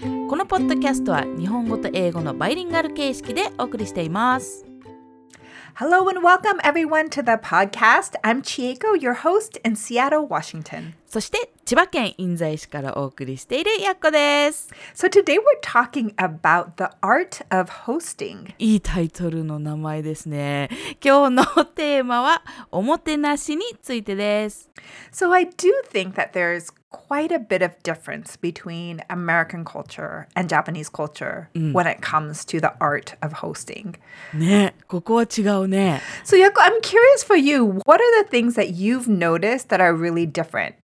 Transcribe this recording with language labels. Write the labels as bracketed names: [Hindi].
[Japanese] このポッドキャストは日本語と英語のバイリンガル形式でお送りしています。 [English] Hello and welcome everyone to the podcast. I'm Chieko, your host in Seattle, Washington. [Japanese] そして千葉県印西市からお送りしているやっこです。 [English] So today we're talking about the art of hosting. [Japanese] いいタイトルの名前ですね。今日のテーマはおもてなしについてです。 [English] So I do think that there's quite a bit of difference between American culture and Japanese culture when it comes to the art of hosting. [Japanese] ね、ここは違うね。 [English] So Yako, I'm curious for you, what are the things that you've noticed that are really different?